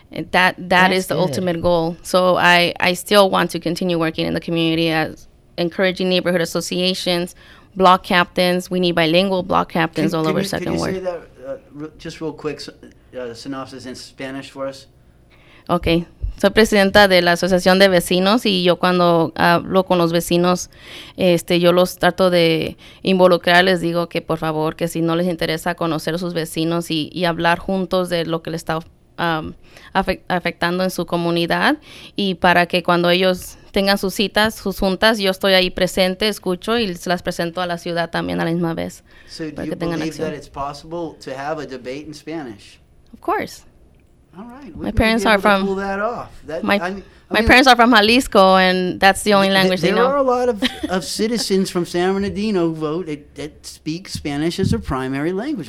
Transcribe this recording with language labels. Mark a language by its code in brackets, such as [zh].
[en] That's is the good. Ultimate goal. So I still want to continue working in the community as encouraging neighborhood associations, block captains. We need bilingual block captains can all over Second Ward. Can you say that just real quick, synopsis in Spanish for us? Okay. [es] Soy presidenta de la Asociación de Vecinos y yo cuando hablo con los vecinos, yo los trato de involucrar, les digo que por favor, que si no les interesa conocer a sus vecinos y hablar juntos de lo que les está afectando en su comunidad y para que cuando ellos tengan sus citas, sus juntas, yo estoy ahí presente, escucho y se las presento a la ciudad también a la misma vez. [en] So do you believe that it's possible to have a debate in Spanish? Of course. All right. My parents are from. Pull that off. My parents are from Jalisco, and that's the only language they know. There are a lot of citizens from San Bernardino who vote that speak Spanish as their primary language.